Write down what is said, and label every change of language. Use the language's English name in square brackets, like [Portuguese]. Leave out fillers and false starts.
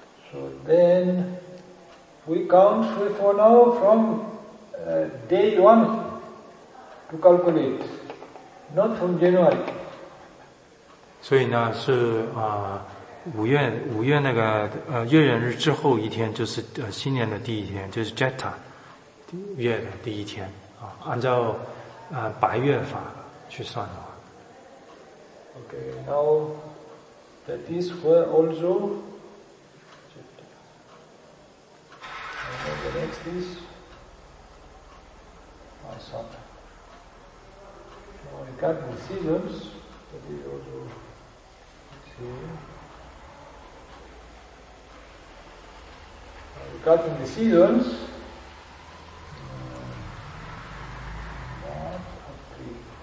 [English] So then, we count for now from day one to calculate, not from January. [Chinese] 所以呢，是啊。五月那个月圆日之后一天就是新年的第一天，就是 Jeta 月的第一天啊。按照白月法去算的话 [English] ，Okay, now that is where also the next is my son. Now we got the seasons. That is also here. Regarding the seasons, March, April.